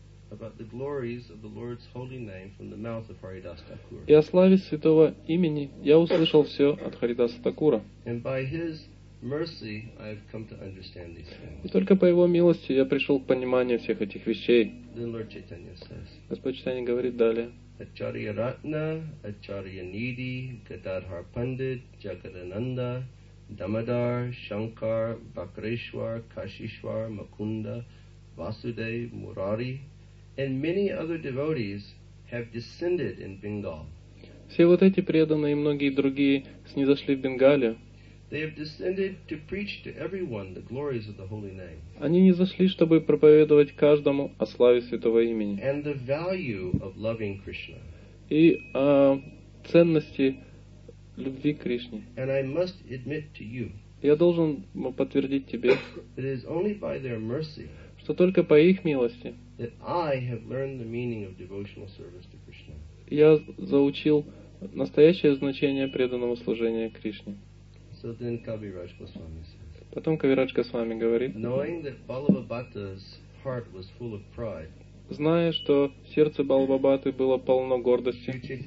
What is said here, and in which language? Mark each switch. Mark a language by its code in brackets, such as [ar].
[en] About the glories of the Lord's holy name from the mouth of Haridas Thakur. [ru] И о славе святого имени я услышал все от Харидаса Такура. [en] And by his mercy I've come to understand these things. [ru] И только по его милости я пришел к пониманию всех этих вещей. [en] Then Lord Chaitanya says. [ru] Господь Чайтанья говорит далее. [en] Acharya Ratna, Acharya Nidhi, Gadadhar Pandit, Jagadananda, Damodar, Shankar, Bakreshwar, Kashishwar, Mukunda, Vasudev, Murari. And many other devotees have descended in Bengal. [ru] Все вот эти преданные и многие другие снизошли в Бенгалию. [en] They have descended to preach to everyone the glories of the holy name. [ru] Они низошли, чтобы проповедовать каждому о славе святого имени. [en] And the value of loving Krishna. [ru] И о ценности любви к Кришне. [en] And I must admit to you. [ru] Я должен подтвердить тебе. [en] It is only by their mercy. [ru] Что только по их милости. [en] That I have learned the meaning of devotional service to Krishna. [ru] Я заучил настоящее значение преданного служения Кришне. [en] So then Kaviraj Goswami says. [ru] Потом Кавирадж Госвами говорит. [en] Knowing that Balabhabata's heart was full of pride. [ru] зная, что сердце Балбабаты было полно гордости.